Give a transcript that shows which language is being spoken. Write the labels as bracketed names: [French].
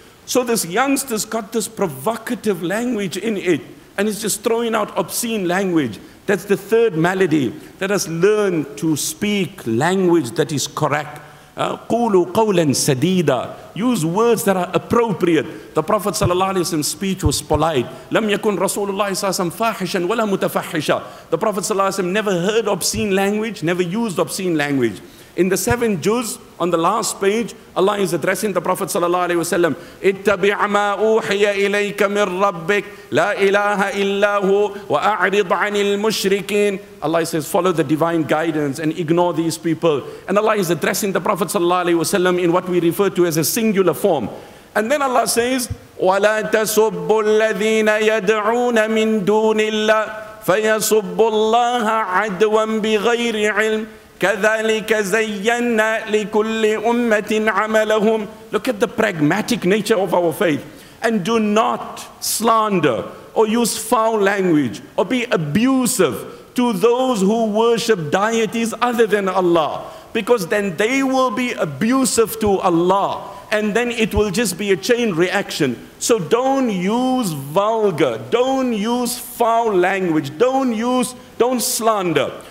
[English] So this youngster's got this provocative language in it, and he's just throwing out obscene language. That's the third malady. Let us learn to speak language that is correct. [Arabic] قُولُوا قَوْلًا سَدِيدًا [English] Use words that are appropriate. The Prophet ﷺ's speech was polite. [Arabic] لَمْ يَكُنْ رَسُولُ اللَّهِ صَلَّى اللَّهُ عَلَيْهِ وَسَلَّمَ فَاحِشًا وَلَا مُتَفَحِّشًا [English] The Prophet ﷺ never heard obscene language, never used obscene language. In the seven juz, on the last page, Allah is addressing the Prophet sallallahu alaihi wasallam. [Arabic] اتَّبِعْ مَا أُوحِيَ إِلَيْكَ مِنْ رَبِّكَ لَا إِلَٰهَ إِلَّا هُوَ وَأَعْرِضْ عَنِ الْمُشْرِكِينَ [English] Allah says, follow the divine guidance and ignore these people. And Allah is addressing the Prophet sallallahu alaihi wasallam in what we refer to as a singular form. And then Allah says, [Arabic] وَلَا تَسُبُّ الَّذِينَ يَدْعُونَ مِنْ دُونِ اللَّهِ فَيَسُبُّ اللَّهَ عَدْوًا بِغَيْرِ عِلْمٍ كَذَلِكَ زَيَّنَّا لِكُلِّ أُمَّةٍ عَمَلَهُمْ [English] Look at the pragmatic nature of our faith. And do not slander or use foul language or be abusive to those who worship deities other than Allah. Because then they will be abusive to Allah. And then it will just be a chain reaction. So don't use vulgar, don't use foul language, don't slander.